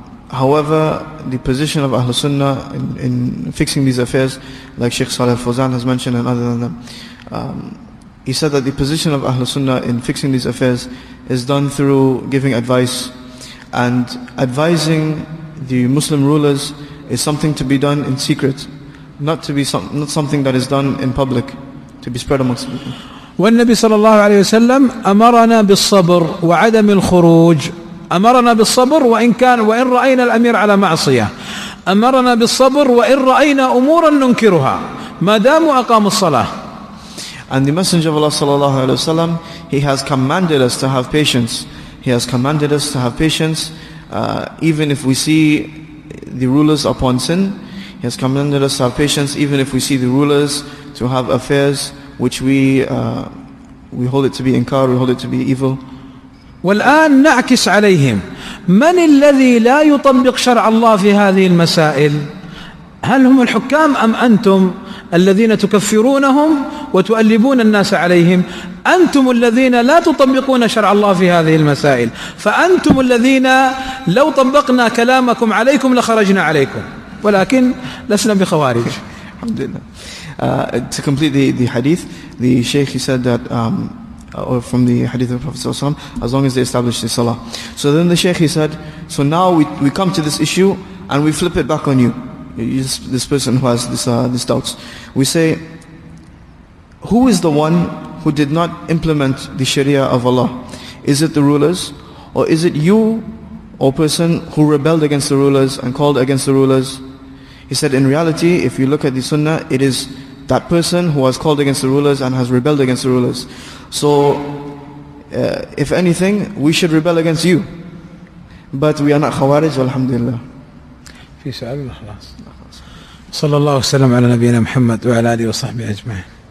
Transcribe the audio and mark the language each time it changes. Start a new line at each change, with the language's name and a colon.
English: However, the position of Ahlul Sunnah in fixing these affairs, like Sheikh Saleh Fawzan has mentioned and other than them, he said that the position of Ahlul Sunnah in fixing these affairs is done through giving advice. And advising the Muslim rulers is something to be done in secret, not something that is done in public, to be spread amongst people.
Arabic: وَالنَّبِي صَلَى اللَّهُ عَلَيْهِ وَسَلَّمْ أَمَرَنَا بِالصَّبْرِ وَعَدَمِ الْخُرُوجِ. أمرنا بالصبر وإن رأينا الأمير على معصية، أمرنا بالصبر وإن رأينا أمورا ننكرها ما دام أقام الصلاة.
English: And the Messenger of Allah صلى الله عليه وسلم, he has commanded us to have patience. He has commanded us to have patience, even if we see the rulers upon sin. He has commanded us to have patience, even if we see the rulers to have affairs which we hold it to be inkar, we hold it to be evil.
Arabic: والآن نعكس عليهم من الذي لا يطبق شرع الله في هذه المسائل؟ هل هم الحكام أم أنتم الذين تكفرونهم وتؤلبون الناس عليهم؟ أنتم الذين لا تطبقون شرع الله في هذه المسائل، فأنتم الذين لو طبقنا كلامكم عليكم لخرجنا عليكم. ولكن لسنا بخوارج. الحمد لله.
English: To complete the hadith, the Sheikh, he said that or from the hadith of the Prophet sallallahu alaihi wasallam, as long as they establish the salah. So then the Sheikh, he said, so now we come to this issue and we flip it back on you. This person who has this doubts, we say, who is the one who did not implement the Sharia of Allah? Is it the rulers, or is it you, or person who rebelled against the rulers and called against the rulers? He said, in reality, if you look at the Sunnah, it is that person who has called against the rulers and has rebelled against the rulers. So if anything, we should rebel against you, but we are not Khawarij, alhamdulillah.
Arabic: في سؤال الإخلاص. صلى الله وسلم على نبينا محمد وعلى آله وصحبه أجمعين.